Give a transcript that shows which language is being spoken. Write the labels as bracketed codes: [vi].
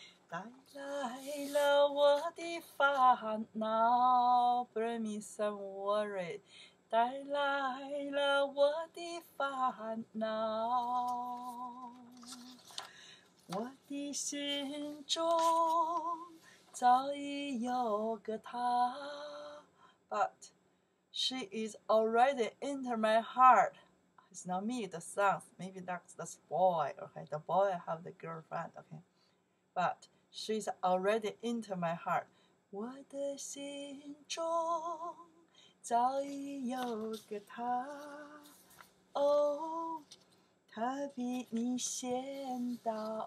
[zh] 带来了我的烦恼 ， [en] bring me some worry。 [zh] 带来了我的烦恼，我的心中早已有个他 ， [en] but she is already into my heart。 It's not me, the song. Maybe that's the boy. Okay, the boy have the girlfriend. Okay, but. She's already into my heart. [zh] 我的心中早已有个她。 Oh, 她比你先到。